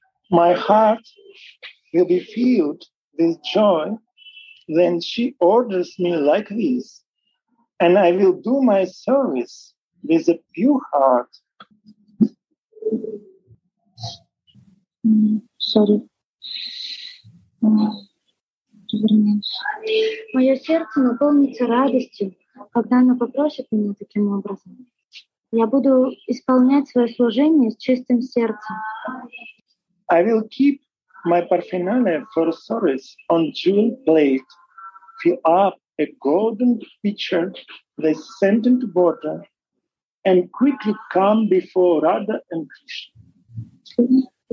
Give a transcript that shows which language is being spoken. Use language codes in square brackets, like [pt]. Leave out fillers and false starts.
[en] My heart will be filled with joy when she orders me like this, and I will do my service with a pure heart. Sorry. [ru] Мое сердце наполнится радостью, когда оно попросит меня таким образом. Я буду исполнять свое служение с чистым сердцем. [en] I will keep my parfenane for service on jewel plate, fill up a golden pitcher, the scented water, and quickly come before Radha and Krishna.